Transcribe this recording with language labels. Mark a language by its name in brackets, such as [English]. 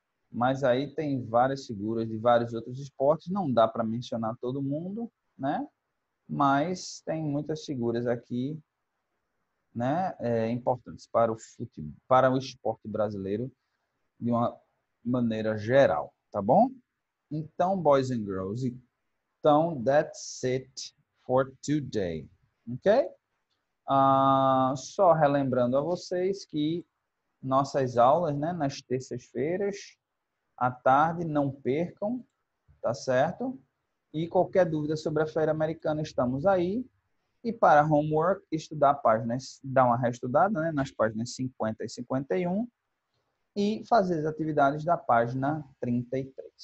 [Portuguese] Mas aí tem várias figuras de vários outros esportes. Não dá para mencionar todo mundo, né? Mas tem muitas figuras aqui, né? Importantes para o futebol, para o esporte brasileiro de uma maneira geral, tá bom? [English] Então, boys and girls, então, that's it for today, ok? [Portuguese] Só relembrando a vocês que nossas aulas, né, nas terças-feiras, à tarde, não percam, tá certo? E qualquer dúvida sobre a Feira Americana, estamos aí. E para homework, estudar páginas, dar uma reestudada, né, nas páginas 50 e 51, e fazer as atividades da página 33.